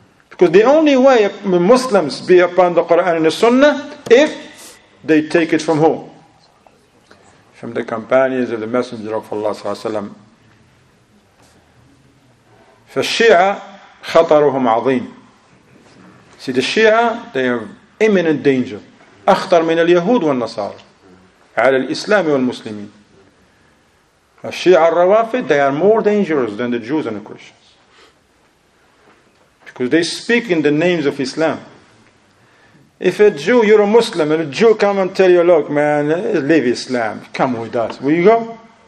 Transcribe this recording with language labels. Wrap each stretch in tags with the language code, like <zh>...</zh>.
<en>Because the only way Muslims be upon the Quran and the Sunnah if they take it from who? From the companions of the Messenger of Allah صلى الله عليه وسلم.</en> <ar>فالشيعة خطرهم عظيم.</ar> <en>See the Shia, they have imminent danger.</en> <ar>أخطر من اليهود والنصارى. على الإسلام والمسلمين. الشيعة الروافد,</ar> <en>they are more dangerous than the Jews and the Christians. Because they speak in the names of Islam. If a Jew, you're a Muslim, and a Jew come and tell you, look, man, leave Islam, come with us. Will you go?</en>